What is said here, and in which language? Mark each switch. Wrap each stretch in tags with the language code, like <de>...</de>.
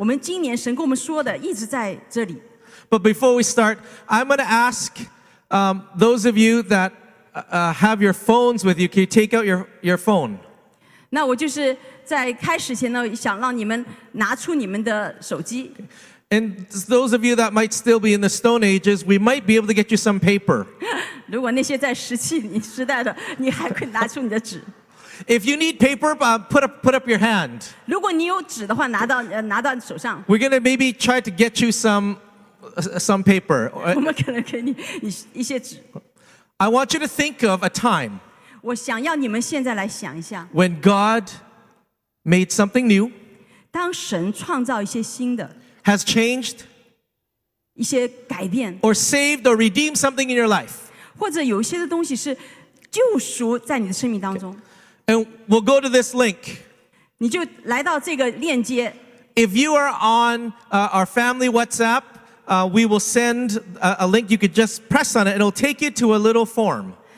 <zh>所以好像他在回想我们今年神跟我们说的一直在这里.</zh> <en>But before we start, I'm going to ask those of you that have your phones with you, can you take out your phone?</en> <zh>那我就是在开始前呢，想让你们拿出你们的手机。</zh> <en>And those of you that might still be in the Stone Ages, we might be able to get you some paper.</en> <zh>如果那些在石器时代的，你还可以拿出你的纸。</zh> <en>If you need paper, put up your hand.</en> <zh>如果你有纸的话，拿到手上。</zh> <en>We're gonna maybe try to get you some paper.</en> <zh>我们可能给你一些纸。</zh> <en>I want you to think of a time when God made something new,</en> <zh>当神创造一些新的,</zh> <en>has changed,</en> <zh>一些改变,</zh> <en>or saved or redeemed something in your life.</en> <zh>或者有些东西是救赎在你的生命当中,</zh> <en>okay. And we'll go to this link.</en> <zh>你就来到这个链接,</zh> <en>if you are on our family WhatsApp, we will send a link. You could just press on it, and it'll take you to a little form.</en>